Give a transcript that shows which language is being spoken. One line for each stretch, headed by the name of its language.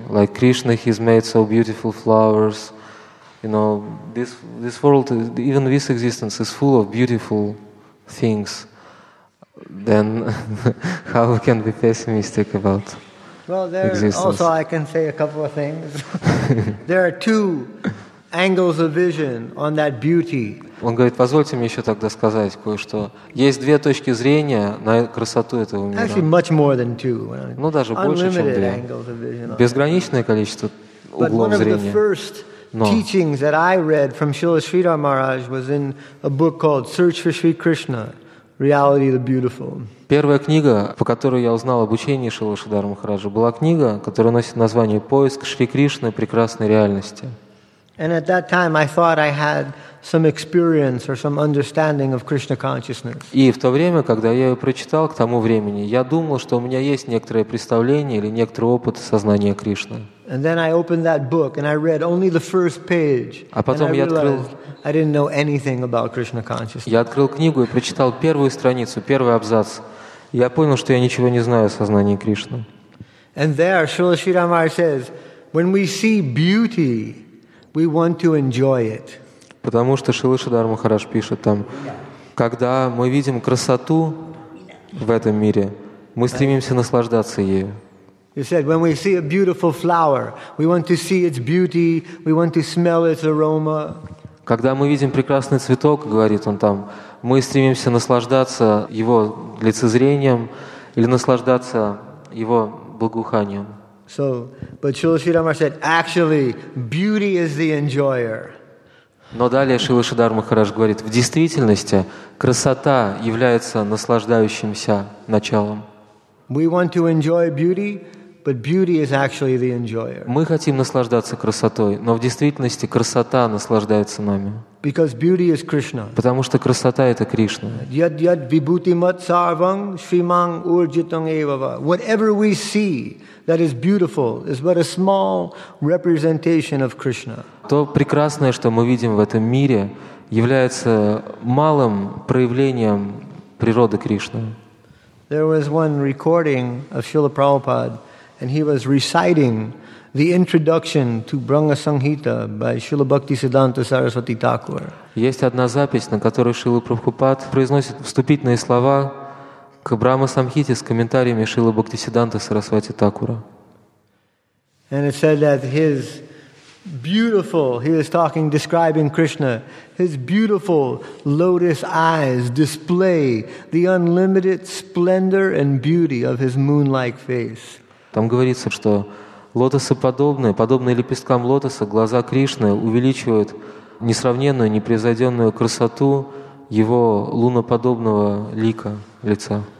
English: Like Krishna, he's made so beautiful flowers. You know, this world, even this existence is full of beautiful things. Then how can we be pessimistic about existence? Well, there also I can say a couple of things. There are two angles of vision on that beauty.
Russian: Он говорит, позвольте мне еще тогда сказать кое-что. Есть две точки зрения на красоту этого мира.
English: Actually, much more than two.
Russian: Ну, даже больше, чем две. Безграничное количество углов зрения.
English: But one of the first teachings that I read from Srila Sridhar Maharaj was in a book called Search for Sri Krishna, Reality of the Beautiful.
Russian: Первая книга, по которой я узнал об учении Шрилы Шридхара Махараджа, была книга, которая носит название «Поиск Шри Кришны прекрасной реальности».
English: And at that time I thought I had some experience or some understanding of Krishna consciousness.
Russian: И в то время, когда я ее прочитал, к тому времени, я думал, что у меня есть некоторое представление или некоторый опыт сознания Кришны.
English: And then I opened that book and I read only the first page.
Russian: А потом я открыл,
English: I didn't know anything about Krishna consciousness.
Russian: Я открыл книгу и прочитал первую страницу, первый абзац. Я понял, что я ничего не знаю о сознании Кришны.
English: And there Srila Sridhar Maharaj says, when we see beauty, we want to enjoy it.
Russian: Потому что Шрила Шридхар Махарадж пишет там, когда мы видим красоту в этом мире, мы стремимся наслаждаться ею.
English: He said, when we see a beautiful flower, we want to see its beauty, we want to smell its aroma.
Russian: Когда мы видим прекрасный цветок, говорит он там, мы стремимся наслаждаться его лицезрением или наслаждаться его благоуханием.
English: So, but Srila Sridhar Maharaj said, actually, beauty is the enjoyer.
Russian: Но далее Шрила Шридхар Махарадж говорит, в действительности красота является наслаждающимся началом.
English: We want to enjoy beauty, but beauty is actually the enjoyer.
Russian: Мы хотим наслаждаться красотой, но в действительности красота наслаждается нами.
English: Because beauty is Krishna.
Russian: Потому что красота это Кришна.
Sanskrit: Yad yad vibhuti mat sarvam shrimang urjitam evava.
English: Whatever we see that is beautiful is but a small representation of Krishna.
Russian: То прекрасное, что мы видим в этом мире, является малым проявлением природы Кришны.
English: There was one recording of Srila Prabhupada, and he was reciting the introduction to Brahma Sanghita by Srila Bhaktisiddhanta Saraswati Thakur.
Russian: Есть одна запись, на которой Шрила Прабхупад произносит вступительные слова к Брахма Самхите с комментариями Шрилы Бхактисиддханты Сарасвати Такура.
English: And it said that his beautiful, he is talking, describing Krishna, his beautiful lotus eyes display the unlimited splendor and beauty of his moon-like face.
Russian: Там говорится, что лотосоподобные, подобные лепесткам лотоса, глаза Кришны увеличивают несравненную, непревзойденную красоту его луноподобного лика, лица.